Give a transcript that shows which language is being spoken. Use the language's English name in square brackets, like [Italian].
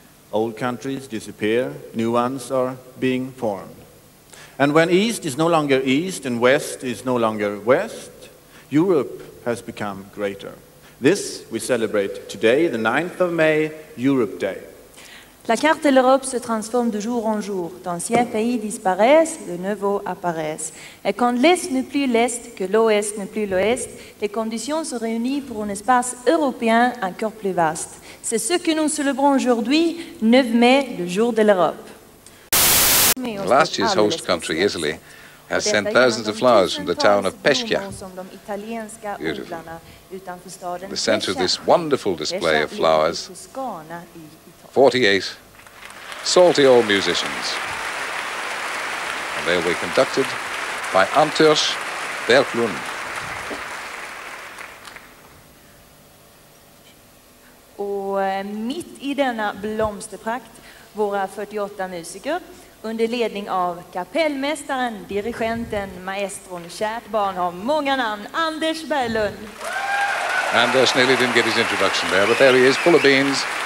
[English] Old countries disappear, new ones are being formed. And when East is no longer East and West is no longer West, Europe has become greater. This we celebrate today, the 9th of May, Europe Day. [French] La carte de l'Europe se transforme de jour en jour. D'anciens pays disparaissent, de nouveaux apparaissent. Et quand l'Est n'est plus l'Est, que l'Ouest n'est plus l'Ouest, les conditions se réunissent pour un espace européen encore plus vaste. C'est ce que nous célébrons aujourd'hui, 9 mai, le jour de l'Europe. [English] Last year's host country, Italy, has sent thousands of flowers from the town of Pescia. Beautiful. In the center of this wonderful display of flowers, 48 salty old musicians. And they'll be conducted by Anders Berglund. [Swedish] Och mitt I denna blomsterprakt, våra 48 musiker, under ledning av kapellmästaren, dirigenten, maestron, kärt barn har många namn, Anders Berglund. [English] Anders nearly didn't get his introduction there, but there he is, full of beans.